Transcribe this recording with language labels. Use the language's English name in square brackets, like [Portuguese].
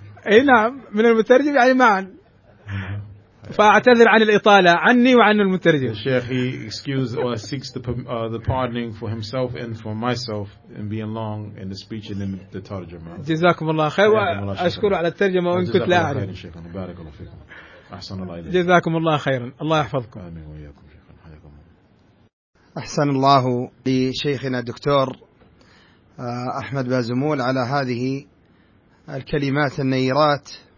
[Arabic] أي نعم من المترجم يعني معن. فأعتذر عن الإطالة عني وعن المترجم. [English] الشيخ he excuses or seeks the pardoning for himself and for myself in being long in the speech and in the ترجمة. [Arabic] جزاكم الله خير وأشكر على الترجمة وإن كنت لا أعرف. شيخنا بارك الله فيكم أحسن الله إليكم. جزاكم الله خيرا الله يحفظكم. آمين وياكم شيخنا حياكم أحسن الله لشيخنا الدكتور أحمد بازمول على هذه الكلمات النيرات.